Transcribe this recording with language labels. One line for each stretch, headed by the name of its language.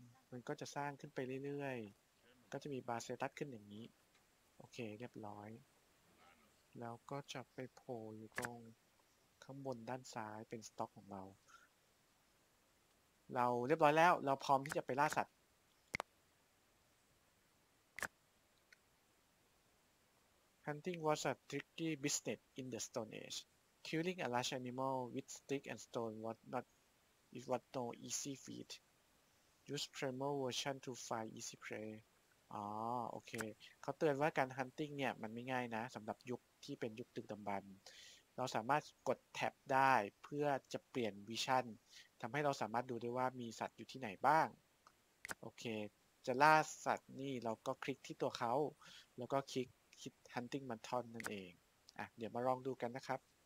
Thai: มันก็จะสร้างขึ้นไปเรื่อยๆก็จะมีบาเซตัสขึ้นอย่างนี้โอเคเรียบร้อยแล้วก็จะไปโผล่อยู่ตรงข้างบนด้านซ้ายเป็นสต็อกของเราเราเรียบร้อยแล้วเราพร้อมที่จะไปล่าสัตว์
English: Hunting was a tricky business in the Stone Age. Killing a large animal with stick and stone was no easy feat. Use primal version to find easy prey.
Thai: อ๋อโอเคเขาเตือนว่าการ hunting เนี่ยมันไม่ง่ายนะสำหรับยุคที่เป็นยุคดึกดำบรรพ์เราสามารถกดแท็บได้เพื่อจะเปลี่ยนวิชั่นทำให้เราสามารถดูได้ว่ามีสัตว์อยู่ที่ไหนบ้างโอเคจะล่าสัตว์นี่เราก็คลิกที่ตัวเขาแล้วก็คลิกคิด hunting button นั่นเองอ่ะเดี๋ยวมาลองดูกันนะครับ